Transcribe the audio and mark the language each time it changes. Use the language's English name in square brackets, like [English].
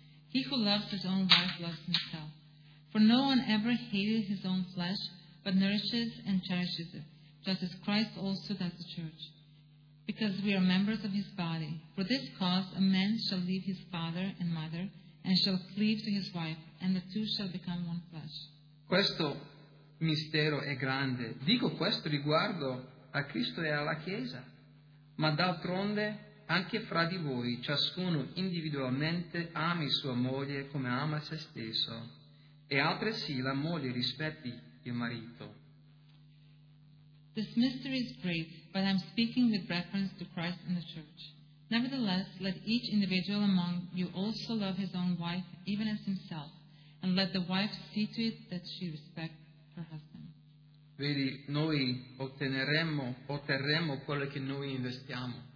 [English] He who loves his own wife loves himself. For no one ever hated his own flesh, but nourishes and cherishes it, just as Christ also does the church, because we are members of his body. For this cause a man shall leave his father and mother, and shall cleave to his wife, and the two shall become one flesh. [Italian] Questo mistero è grande. Dico questo riguardo a Cristo e alla Chiesa. Ma d'altronde, anche fra di voi, ciascuno individualmente ami sua moglie come ama se stesso. E altresì la moglie rispetti il marito. [English] This mystery is great, but I'm speaking with reference to Christ and the church. Nevertheless, let each individual among you also love his own wife, even as himself, and let the wife see to it that she respect her husband. [Italian] Vedi, noi otterremo quello che noi investiamo.